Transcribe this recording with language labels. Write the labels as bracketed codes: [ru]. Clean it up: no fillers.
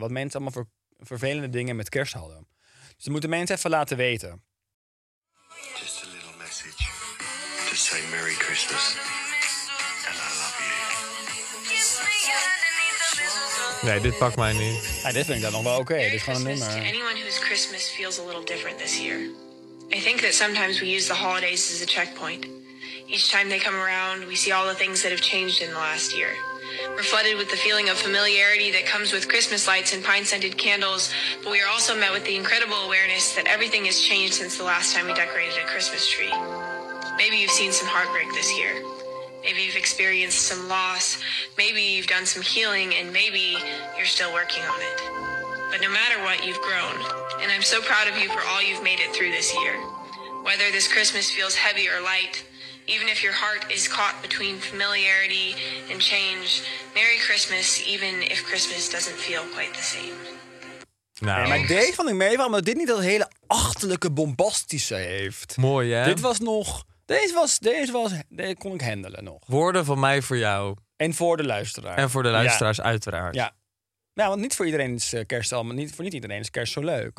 [nl] Wat mensen allemaal voor vervelende dingen met kerst hadden. Dus dat moeten mensen even laten weten. [en] Just a little message. To say Merry Christmas. [nl] Nee, dit pakt mij niet. Ja, dit vind ik dan nog wel oké. Dit is gewoon een nummer. [en] To anyone whose Christmas feels a little different this year. I think that sometimes we use the holidays as a checkpoint. Each time they come around, we see all the things that have changed in the last year. We're flooded with the feeling of familiarity that comes with Christmas lights and pine-scented candles, but we are also met with the incredible awareness that everything has changed since the last time we decorated a Christmas tree. Maybe you've seen some heartbreak this year. Maybe you've experienced some loss. Maybe you've done some healing, and maybe you're still working on it. But no matter what, you've grown. And I'm so proud of you for all you've made it through this year. Whether this Christmas feels heavy or light, even if your heart is caught between familiarity and change, Merry Christmas, even if Christmas doesn't feel quite the same. [nl] Nou, maar deze vond ik meevallen, omdat dit niet dat hele achterlijke bombastische heeft. Mooi, hè? Dit was nog... Deze kon ik handelen nog. Woorden van mij voor jou. En voor de luisteraar. En voor de luisteraars, ja. Uiteraard. Ja. Nou, want niet voor iedereen is kerst al, maar niet iedereen is kerst zo leuk.